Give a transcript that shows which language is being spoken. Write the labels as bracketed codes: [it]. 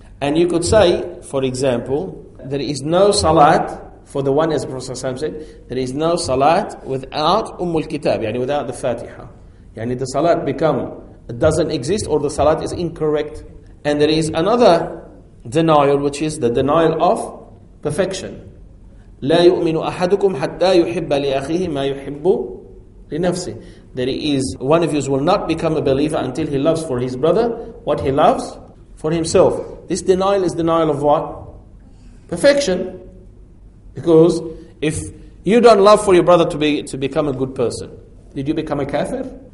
[en] And you could say, for example, there is no salat. For the one, as Prophet ﷺ said, there is no salat without Ummul Kitab, yani without the Fatiha. Yani the salat doesn't exist, or the salat is incorrect. And there is another denial, which is the denial of perfection. [ar] لا يؤمن أحدكم حتى يحب لأخيه ما يحب لنفسه. [en] There is, one of you will not become a believer until he loves for his brother what he loves for himself. This denial is denial of what? Perfection. Because if you don't love for your brother to become a good person, did you become a kafir?